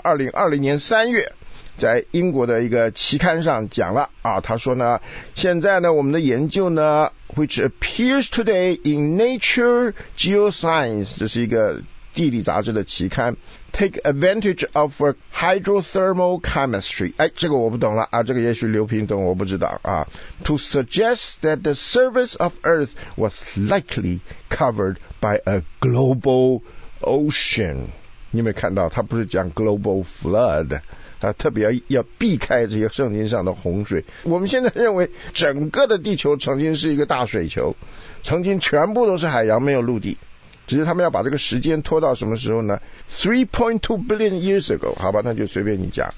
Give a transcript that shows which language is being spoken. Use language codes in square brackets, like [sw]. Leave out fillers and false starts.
[zh] 2020年3月，在英国的一个期刊上讲了啊，他说呢，现在呢我们的研究呢 ， [en] which appears today in Nature Geoscience， [zh] 这是一个地理杂志的期刊 ， [en] take advantage of hydrothermal chemistry。 [zh] 哎，这个我不懂了啊，这个也许刘平懂，我不知道啊。 [en] To suggest that the surface of Earth was likely covered by a global ocean， [zh] 你没看到，他不是讲 [en] global flood， [zh] 啊，特别要避开这些圣经上的洪水。我们现在认为整个的地球曾经是一个大水球，曾经全部都是海洋，没有陆地。只是他们要把这个时间拖到什么时候呢？ [en] 3.2 billion years ago， [zh] 好吧，那就随便你讲。